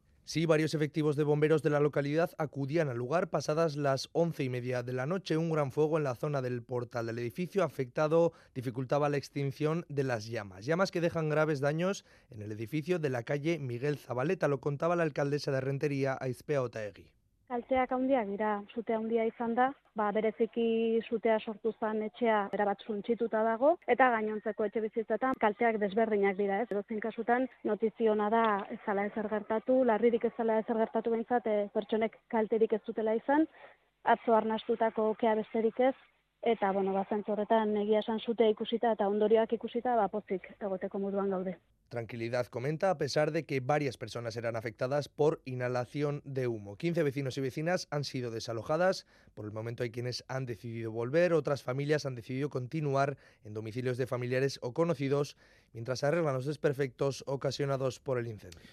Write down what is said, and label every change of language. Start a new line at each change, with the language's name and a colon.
Spanish: Sí, varios efectivos de bomberos de la localidad acudían al lugar pasadas las 11:30 de la noche. Un gran fuego en la zona del portal del edificio afectado dificultaba la extinción de las llamas. Llamas que dejan graves daños en el edificio de la calle Miguel Zabaleta, lo contaba la alcaldesa de Errenteria, Aizpea Otaegi.
Basque: Kalteak handiak dira, sute handia izan da, bereziki sutea sortu zen etxea erabat suntxituta dago, eta gainontzeko etxe bizitzetan kalteak desberdinak dira. Edozein kasutan notiziona da ez zala ezer gertatu, larririk ez zala ezer gertatu behintzat, pertsonek kalterik ez zutela izan, atzo arnastutako kea besterik ez, eta bueno, zentzu horretan egia esan sute ikusita eta ondorioak ikusita pozik egoteko moduan gaude.
Spanish: Tranquilidad comenta, a pesar de que varias personas eran afectadas por inhalación de humo. 15 vecinos y vecinas han sido desalojadas. Por el momento hay quienes han decidido volver, otras familias han decidido continuar en domicilios de familiares o conocidos mientras arreglan los desperfectos ocasionados por el incendio.